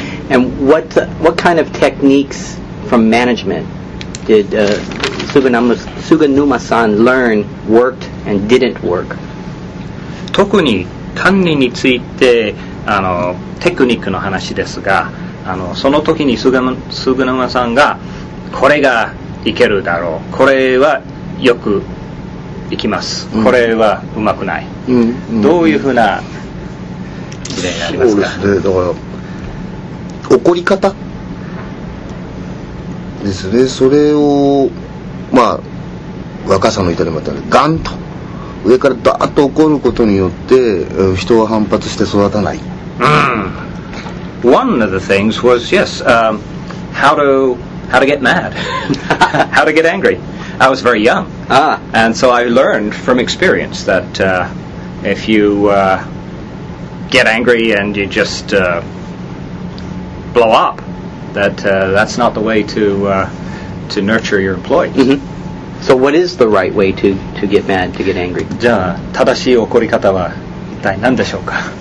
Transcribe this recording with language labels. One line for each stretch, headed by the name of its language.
English: And what kind of techniques from management did Suganuma-san learn worked and didn't work?
Japanese: 特に管理についてテクニックの話ですが、その時に Suganuma さんがこれがいけるだろう、これはよくいきます、うん、これはうまくない、うん、どういうふうな事例がありますか。そうですね、だから怒り方ですね。それをまあ若さの至りまでガンと上からダーッと怒ることによって人は反発して育たない。うん。
English: One of the things was yes, how to get mad, how to get angry. I was very young. Ah. And so I learned from experience that if you get angry and you just blow up, that's not the way to nurture your employees. Mm-hmm. So what is the right way to get mad, to get angry?
Japanese: じゃあ、正しい怒り方は一体何でしょうか？